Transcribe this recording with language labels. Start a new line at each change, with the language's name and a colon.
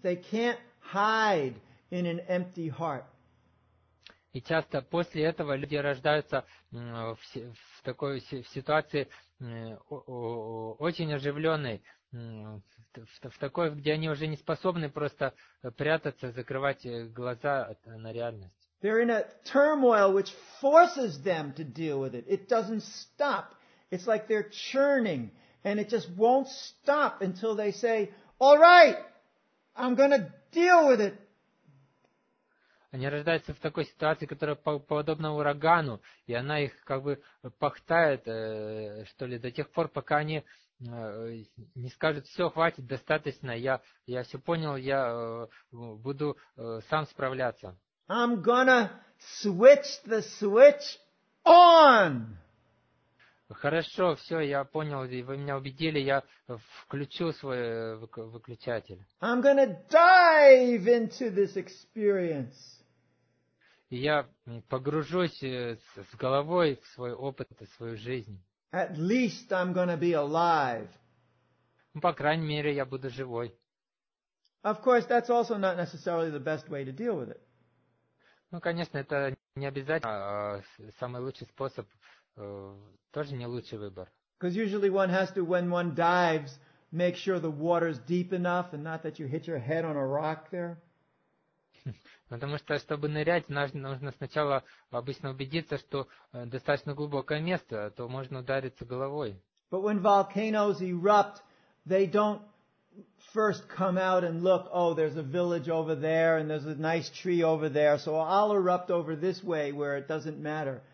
English: They can't hide in an empty heart.
Russian: И часто после этого люди рождаются в такой ситуации очень оживленной, в такой, где они уже не способны просто прятаться, закрывать глаза на реальность.
English: They're in a turmoil which forces them to deal with it. It doesn't stop. It's like they're churning, and it just won't stop until they say, All right, I'm gonna deal with it.
Russian: Они рождаются в такой ситуации, которая подобна урагану, и она их как бы пахтает, что ли, до тех пор, пока они не скажут: все, хватит, достаточно, я все понял, я буду сам справляться.
English: I'm gonna switch the switch on.
Russian: Хорошо, все, я понял, вы меня убедили, я включу свой выключатель.
English: I'm gonna dive into this experience.
Russian: И я погружусь с головой в свой опыт, в свою жизнь.
English: At least I'm gonna be alive.
Russian: По крайней мере, я буду живой.
English: Of course, that's also not necessarily the best way to deal with it.
Russian: Ну, конечно, это не обязательно, самый лучший способ тоже не лучший выбор.
English: Because usually one has to, when one dives, make sure the water's deep enough and not that you hit your head on a rock there.
Russian: Потому что, чтобы нырять, нужно сначала обычно убедиться, что достаточно глубокое место, а то можно удариться головой.
English: But when volcanoes erupt, they don't first come out and look, oh, there's a village over there and there's a nice tree over there, so I'll erupt over this way where it doesn't matter.